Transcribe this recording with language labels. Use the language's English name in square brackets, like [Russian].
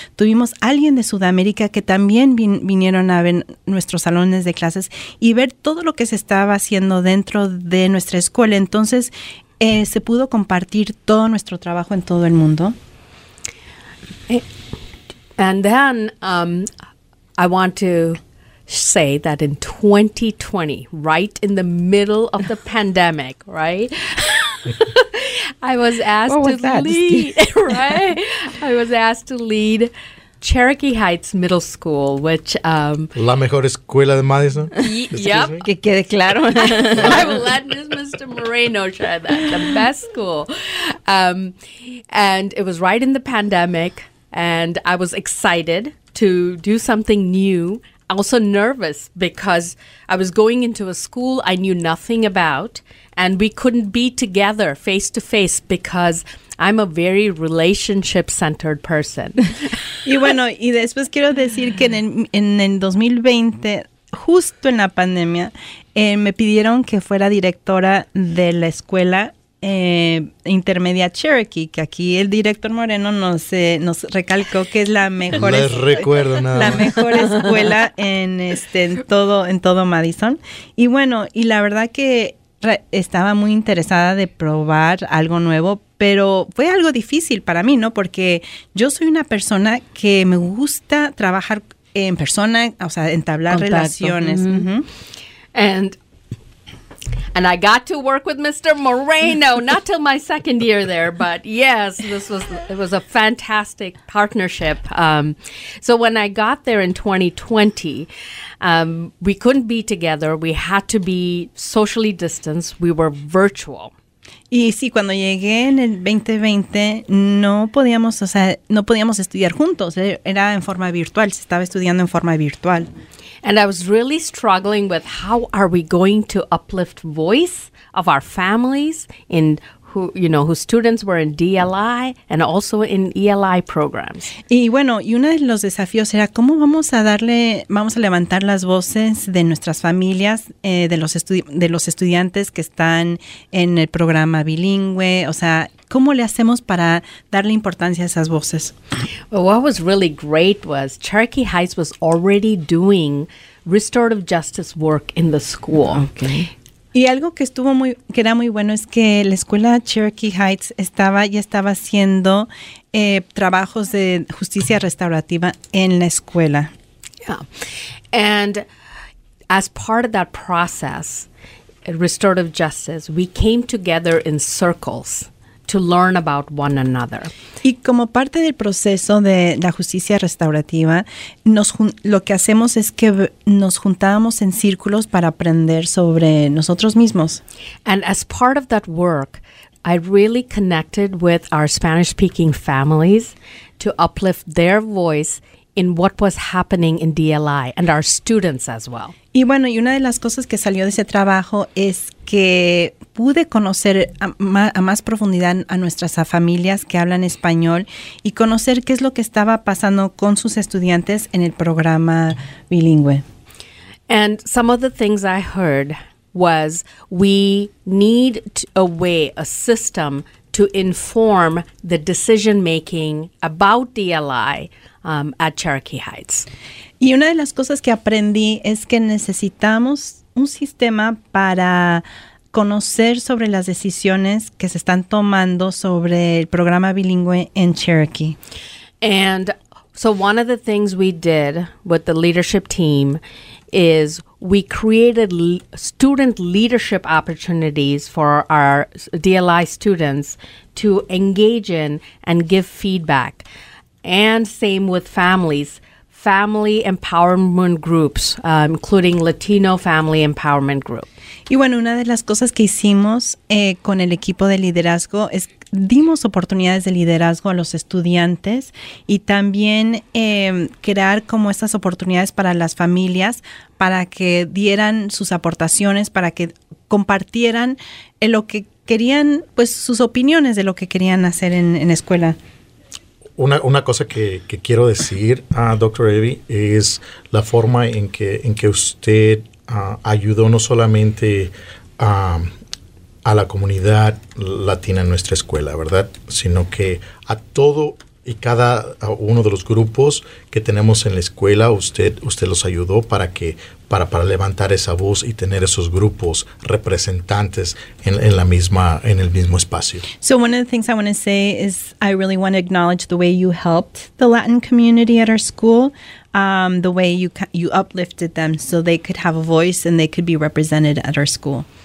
[Spanish] Tuvimos alguien de Sudamérica que también vinieron a ver nuestros salones de clases y ver todo lo que se estaba haciendo dentro de nuestra escuela. Entonces, se pudo compartir todo nuestro trabajo en todo el mundo. [English] And then, I want to say that in 2020, right in the middle of the pandemic, right? I was asked to lead, right? I was asked to lead Cherokee Heights Middle School, which [Spanish] La mejor escuela de Madison. [English] Yep, [Spanish] que quede claro. [English] I will let this Mr. Moreno try that. The best school, and it was right in the pandemic, and I was excited to do something new. I'm also nervous because I was going into a school I knew nothing about, and we couldn't be together face to face because I'm a very relationship-centered person. [Spanish] Y bueno, y después quiero decir que en 2020, justo en la pandemia, me pidieron que fuera directora de la escuela Intermedia Cherokee, que aquí el director Moreno nos recalcó que es la mejor mejor escuela en todo Madison. Y bueno, y la verdad que estaba muy interesada de probar algo nuevo, pero fue algo difícil para mí, ¿no? Porque yo soy una persona que me gusta trabajar en persona, o sea, entablar contacto. Relaciones. [English] Mm-hmm. And I got to work with Mr. Moreno, not till my second year there, but yes, it was a fantastic partnership. So when I got there in 2020, we couldn't be together. We had to be socially distanced. We were virtual. [Spanish] Y sí, cuando llegué en el 2020, no podíamos estudiar juntos. Era en forma virtual. Se estaba estudiando en forma virtual. [English] And I was really struggling with how are we going to uplift voice of our families in whose students were in DLI and also in ELI programs. [Spanish] Y bueno, y uno de los desafíos era cómo vamos a levantar las voces de nuestras familias, de los estudiantes que están en el programa bilingüe, o sea, ¿cómo le hacemos para darle importancia a esas voces? [English] Well, what was really great was Cherokee Heights was already doing restorative justice work in the school. Okay. [Spanish] Y algo que estuvo muy, que era muy bueno es que la escuela Cherokee Heights ya estaba haciendo trabajos de justicia restaurativa en la escuela. [English] Yeah. And as part of that process, restorative justice, we came together in circles to learn about one another. [Spanish] Y como parte del proceso de la justicia restaurativa, lo que hacemos es que nos juntábamos en círculos para aprender sobre nosotros mismos. [English] And as part of that work, I really connected with our Spanish-speaking families to uplift their voice in what was happening in DLI and our students as well. [Spanish] Y bueno, y una de las cosas que salió de ese trabajo es que pude conocer a más profundidad a nuestras familias que hablan español y conocer qué es lo que estaba pasando con sus estudiantes en el programa bilingüe. [English] And some of the things I heard was we need a way, a system to inform the decision making about DLI at Cherokee Heights. [Spanish] Y una de las cosas que aprendí es que necesitamos un sistema para conocer sobre las decisiones que se están tomando sobre el programa bilingüe en Cherokee. [English] And so one of the things we did with the leadership team is we created student leadership opportunities for our DLI students to engage in and give feedback. And same with families, family empowerment groups, including Latino family empowerment group. [Spanish] Y bueno, una de las cosas que hicimos con el equipo de liderazgo es dimos oportunidades de liderazgo a los estudiantes y también crear como estas oportunidades para las familias para que dieran sus aportaciones, para que compartieran lo que querían, pues sus opiniones de lo que querían hacer en escuela. Una cosa que quiero decir, Dr. Evi, es la forma en que usted ayudó no solamente a la comunidad latina en nuestra escuela, ¿verdad? Sino que a todo y cada uno de los grupos que tenemos en la escuela, usted los ayudó para levantar esa voz y tener esos grupos representantes en el mismo espacio. [English] So one of the things I want to say is I really want to acknowledge the way you helped the Latin community at our school, the way you uplifted them so they could have a voice and they could be represented at our school.